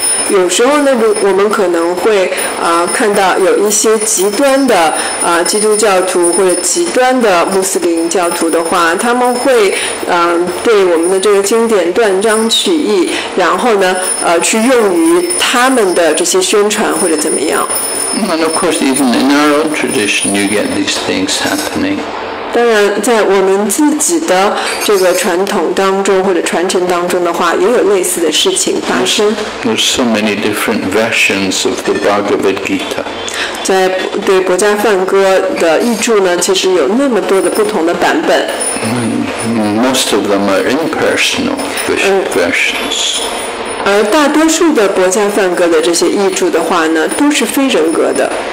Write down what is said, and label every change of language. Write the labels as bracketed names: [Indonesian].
[Chinese] 有时候呢，我们可能会看到有一些极端的基督教徒或者极端的穆斯林教徒的话，他们会对我们的这个经典断章取义，然后呢去用于他们的这些宣传或者怎么样。 [English] And of course, even in our own tradition, you get these things happening. [Chinese] 当然在我们自己的这个传统当中或者传承当中的话，也有类似的事情发生。 [English] There's so many different versions of the Bhagavad Gita. [Chinese] 在对博迦梵歌的译注呢，其实有那么多的不同的版本。 [English] Most of them are impersonal versions. [Chinese] 而大多数的博迦梵歌的这些译注的话呢，都是非人格的。